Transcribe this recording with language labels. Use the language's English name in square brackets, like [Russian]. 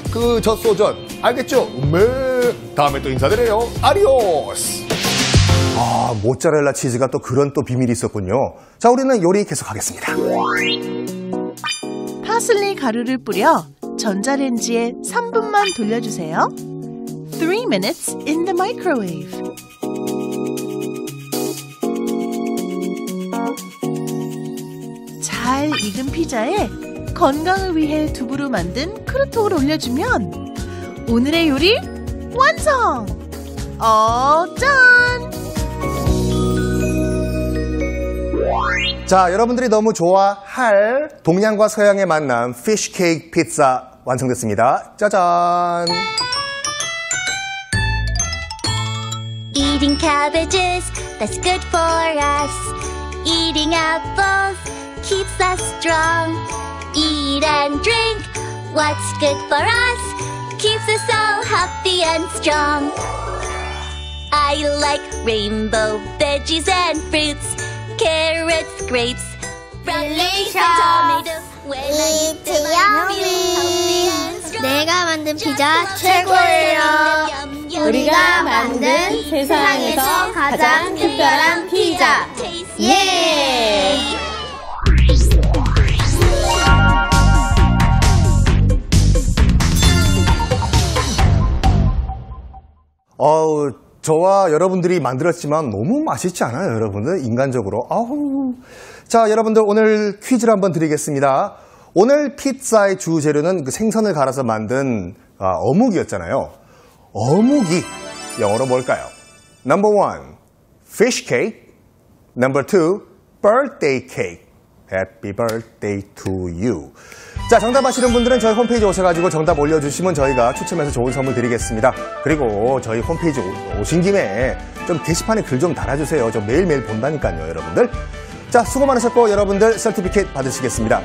[Korean] 그 젖소젖 알겠죠? 다음에 또 인사드려요. 아리오스. 아 모짜렐라 치즈가 또 그런 또 비밀이 있었군요. 자 우리는 요리 계속하겠습니다. 파슬리 가루를 뿌려 전자레인지에 3분만 돌려주세요. [English] 3 minutes in the microwave. [Korean] 잘 익은 피자에 건강을 위해 두부로 만든 크루통을 올려주면 오늘의 요리 완성! 짠! 자, 여러분들이 너무 좋아할 동양과 서양의 만남 fish cake pizza 완성됐습니다. 짜잔! [English] Eating cabbages, that's good for us. Eating apples keeps us strong. Eat and drink what's good for us keeps us all healthy and strong. I like rainbow veggies and fruits, carrots, grapes, broccoli, tomatoes. Eat yummy. Healthy and strong. [Korean] 내가 만든 피자 최고예요. 우리가 만든 세상에서 가장 특별한 피자. 예! 어우, 저와 여러분들이 만들었지만 너무 맛있지 않아요, 여러분들? 인간적으로. 아우. 자, 여러분들 오늘 퀴즈를 한번 드리겠습니다. 오늘 피자의 주재료는 그 생선을 갈아서 만든 어묵이었잖아요. 어묵이 영어로 뭘까요? [English] Number one, fish cake. Number two, birthday cake. Happy birthday to you. [Korean] 자, 정답 아시는 분들은 저희 홈페이지에 오셔가지고 정답 올려주시면 저희가 추첨해서 좋은 선물 드리겠습니다. 그리고 저희 홈페이지 오신 김에 좀 게시판에 글 좀 달아주세요. 저 매일매일 본다니까요, 여러분들. 자, 수고 많으셨고 여러분들 서티피켓 받으시겠습니다.